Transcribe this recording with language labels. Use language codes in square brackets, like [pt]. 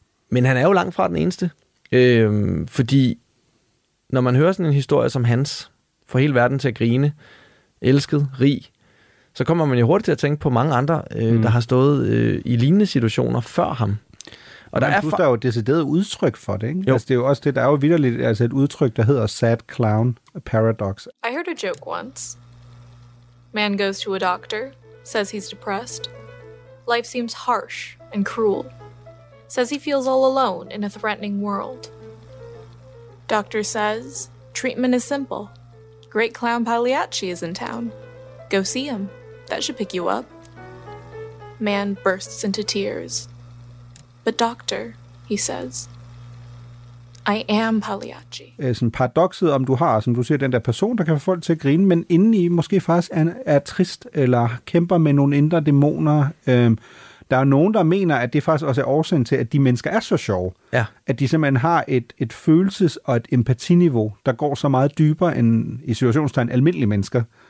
[da] Men han er jo langt fra den eneste. Fordi når man hører sådan en historie som hans, får hele verden til at grine, elsket, rig, så kommer man jo hurtigt til at tænke på mange andre, der har stået i lignende situationer før ham. Og der er jo et decideret udtryk for det, ikke? Altså, det er jo også det, der er jo vitterligt, altså et udtryk, der hedder Sad Clown Paradox. [en] I heard a joke once. Man goes to a doctor, says he's depressed. Life seems harsh and cruel. Says he feels all alone in a threatening world. Doctor says, treatment is simple. Great clown Pagliacci is in town. Go see him. That should pick you up. Man bursts into tears. But doctor, he says, I am Pagliacci. [da] Sådan paradokset, om du har, som du siger, den der person, der kan få folk til at grine, men indeni måske faktisk er trist, eller kæmper med nogle indre dæmoner. Der er nogen, der mener, at det faktisk også er årsagen til, at de mennesker er så sjove. Ja. At de simpelthen har et følelses- og et empatiniveau, der går så meget dybere end i situationstegn almindelige mennesker.